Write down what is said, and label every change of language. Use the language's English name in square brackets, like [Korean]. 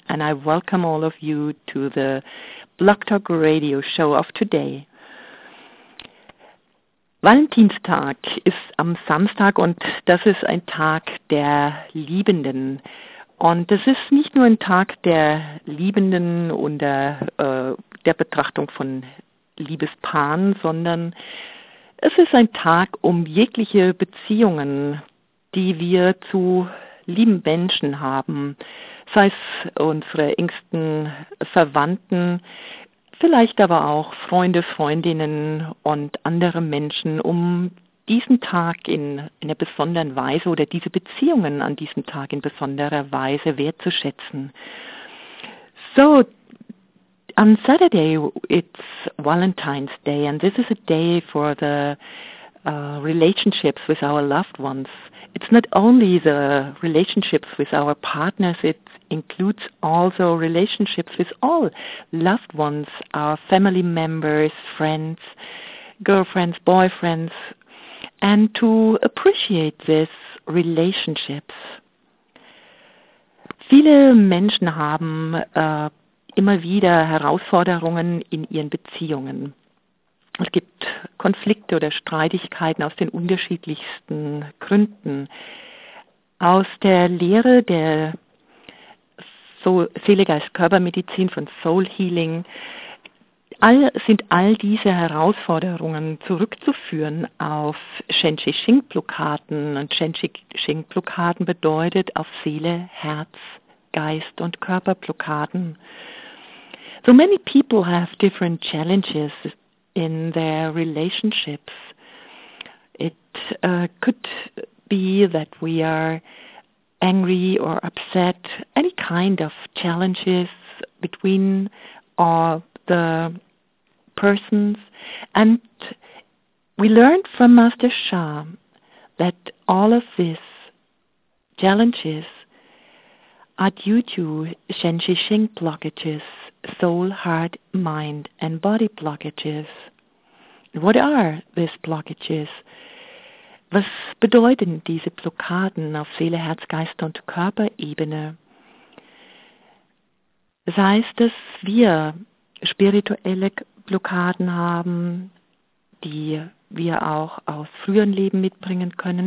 [English] And I welcome all of you to the Block Talk Radio Show of today. [German] Valentinstag ist am Samstag und das ist ein Tag der Liebenden. Und es ist nicht nur ein Tag der Liebenden und der Betrachtung von Liebespaaren, sondern es ist ein Tag, um jegliche Beziehungen, die wir zu lieben Menschen haben, sei es unsere engsten Verwandten, vielleicht aber auch Freunde, Freundinnen und andere Menschen, um diesen Tag in einer besonderen Weise oder diese Beziehungen an diesem Tag in besonderer Weise wertzuschätzen. [English] So, on Saturday it's Valentine's Day and this is a day for the relationships with our loved ones. It's not only the relationships with our partners, it includes also relationships with all loved ones, our family members, friends, girlfriends, boyfriends, and to appreciate these relationships. [German] Viele Menschen haben immer wieder Herausforderungen in ihren Beziehungen. Es gibt Konflikte oder Streitigkeiten aus den unterschiedlichsten Gründen. Aus der Lehre der Seele-Geist-Körper-Medizin von Soul Healing sind all diese Herausforderungen zurückzuführen auf Shen-Chi-Shing-Blockaden. Und Shen-Chi-Shing-Blockaden bedeutet auf Seele, Herz, Geist und Körperblockaden. [English] So many people have different challenges in their relationships. It could be that we are angry or upset, any kind of challenges between all the persons. And we learned from Master Shah that all of these challenges are due to Shen Shi Xing blockages, soul, heart, mind, and body blockages. What are these blockages? [German] Was bedeuten diese Blockaden auf Seele, Herz, Geist und Körperebene? Das heißt, dass wir spirituelle Blockaden haben, die wir auch aus früheren Leben mitbringen können.